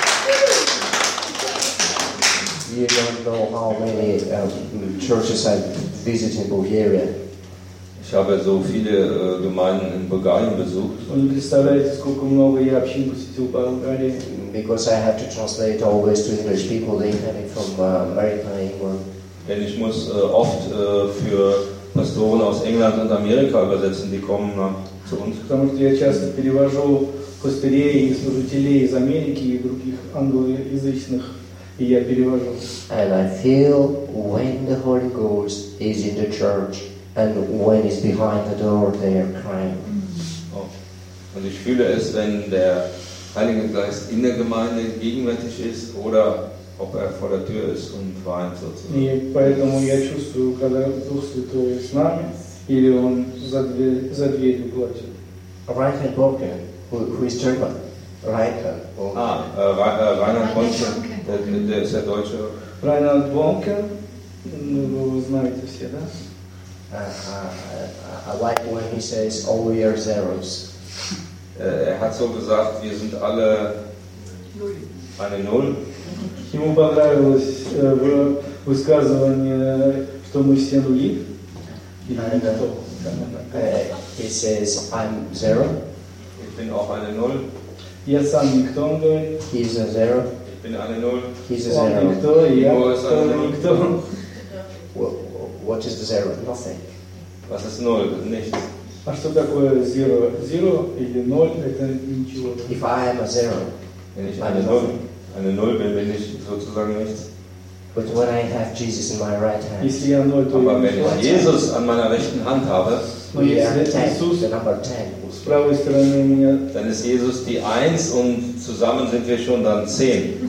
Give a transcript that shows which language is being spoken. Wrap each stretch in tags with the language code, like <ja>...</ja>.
<en>You don't know how many churches I've visited in Bulgaria.</en> <de>Ich habe so viele Gemeinden in Bulgarien besucht.</de> <en>Because I have to translate always to English people, they coming from America, England.</en> <de>Denn ich muss oft für Pastoren aus England und Amerika übersetzen, die kommen zu uns.</de> <ru>Потому что я часто перевожу пастырей и служителей из Америки и других англоязычных.</ru> <en>And I feel when the Holy Ghost is in the church. And when he's behind the door, they are crying. Oh.</en> <de>Und ich fühle es, wenn der Heilige Geist in der Gemeinde gegenwärtig ist oder ob er vor der Tür ist und weint sozusagen.</de> <ru>И поэтому я чувствую, когда дух святой с нами, или он за дверью плачет.</ru> <en>Reinhard Bonke, who is German? Reinhard Bonke.</en> <de>Reinhard Bonke, der ist ja Deutscher.</de> <ru>Reinhard Bonke, вы знаете все, да?</ru> <en>I like when he says, all we are zeros.</en> <de>Er hat so gesagt, wir sind alle eine Null.</de> <ru>Ему понравилось высказывание, что мы все нули. И на это то.</ru> <en>He says, I'm zero.</en> <de>Ich bin auch eine Null.</de> <ru>Я сам никто, он говорит.</ru> <en>He's a zero.</en> <de>Ich bin eine Null.</de> <en>He's a zero.</en> <ru>Он никто, я тоже никто.</ru> <en>What is the zero? Nothing.</en> <de>Was ist Null? Nichts.</de> <ru>А что такое zero? Zero или ноль, это ничего.</ru> <en>If I am a zero, I'm nothing.</en> <de>Eine Null bin ich sozusagen nichts.</de> <en>But when I have Jesus in my right hand,</en> <de>ist ja null, aber wenn ich Jesus an meiner rechten Hand habe, dann ist Jesus die Eins und zusammen sind wir schon dann zehn.</de>